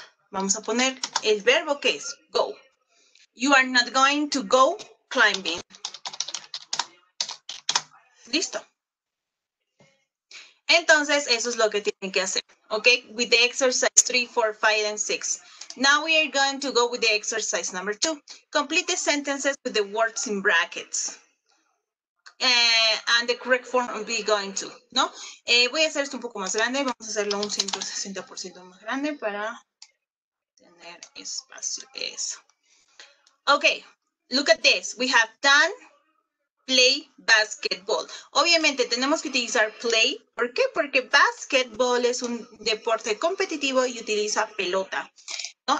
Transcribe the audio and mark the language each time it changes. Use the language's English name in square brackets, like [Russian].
[Spanish] Vamos a poner el verbo que es go. [English] You are not going to go climbing. [Spanish] Listo. Entonces, eso es lo que tienen que hacer. [English] Ok, with the exercise 3, 4, 5, and 6. Now we are going to go with the exercise number 2. Complete the sentences with the words in brackets. And the correct form will be going to, ¿no? [Spanish] Voy a hacer esto un poco más grande. Vamos a hacerlo un 160% más grande para tener espacio. Eso. [English] Okay, look at this. We have done, play, basketball. [Spanish] Obviamente tenemos que utilizar play. ¿Por qué? Porque basketball es un deporte competitivo y utiliza pelota, ¿no?